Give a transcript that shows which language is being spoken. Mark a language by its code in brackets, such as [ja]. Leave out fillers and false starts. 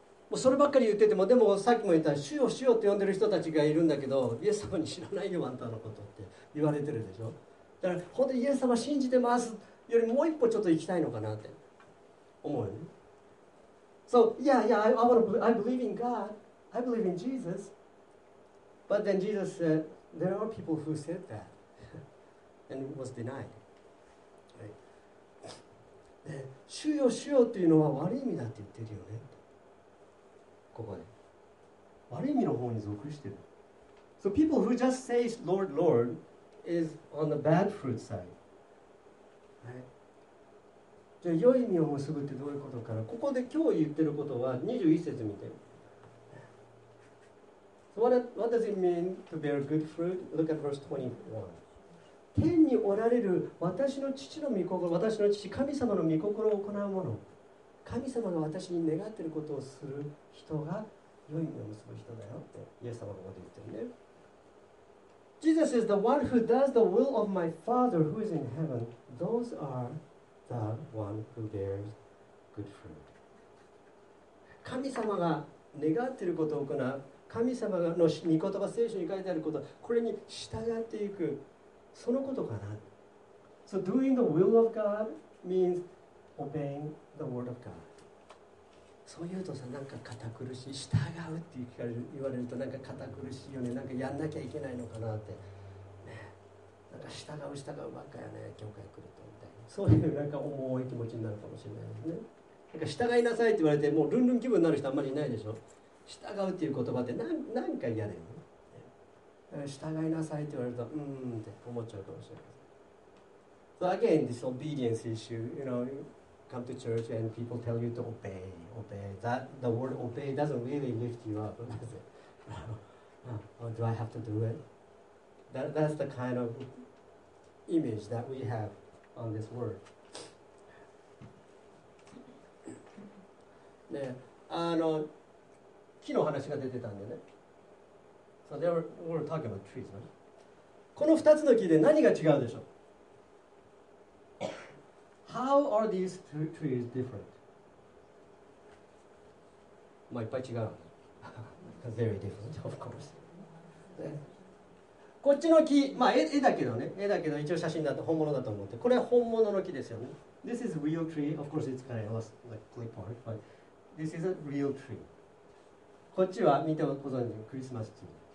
[ja] もうそればっかり言ってても、でもさっきも言った、主よ主よって呼んでる人たちがいるんだけど、イエス様に知らないよあんたのことって言われてるでしょ。だから本当にイエス様信じてますよりもう一歩ちょっと行きたいのかなって思うよね。 [en] So, yeah, yeah, I believe in God. I believe in Jesus, but then Jesus said, there are people who said that and was denied. Right. [ja] 主よ主よというのは悪い意味だって言ってるよね。ここで悪い意味の方に属してる。 [en] So people who just say Lord, Lord is on the bad fruit side、 [ja] じゃあ良い意味を結ぶってどういうことかな。ここで今日言ってることは21節見て。 [en] So what does it mean to bear good fruit? Look at verse 21。 [ja] 天におられる私の父の御心、私の父神様の御心を行うもの、神様が私に願っていることをする人が良い意味を結ぶ人だよってイエス様がここで言ってるね。 [en] Jesus is the one who does the will of my Father who is in heaven. Those are the one who bears good fruit. [ja] 神様が願っていることを行う、神様の御言葉、聖書に書いてあること、これに従っていく。そのことかな。 [en] So doing the will of God means obeying the word of God. [ja] そう言うとさ、なんか堅苦しい、従うって言われるとなんか堅苦しいよね。なんかやんなきゃいけないのかなって、ね、なんか従う従うばっかやね、教会来るとみたいな。そういうなんか重い気持ちになるかもしれないですね。なんか従いなさいって言われてもうルンルン気分になる人あんまりいないでしょ。従うっていう言葉ってなんか嫌だよね。従いなさいって言われると、うーんって思っちゃうかもしれません。 [en] So again, this obedience issue, you know, you come to church and people tell you to obey, obey. That, the word obey doesn't really lift you up, does it? Do I have to do it? That's the kind of image that we have on this word. [ja] ね、木の話が出てたんでね。 [en] So、they were talking about trees, right? [ja] この2つの木で何が違うでしょう。 [en] How are these two trees different? [ja] まあいっぱい違う。 [en] Very different, of course. [ja] こっちの木、まあ絵だけどね。絵だけど一応写真だと本物だと思って。これは本物の木ですよね。 [en] This is a real tree. Of course, it's kind of like clip art, but this is a real tree. [ja] こっちは見てご存知、クリスマスツリー。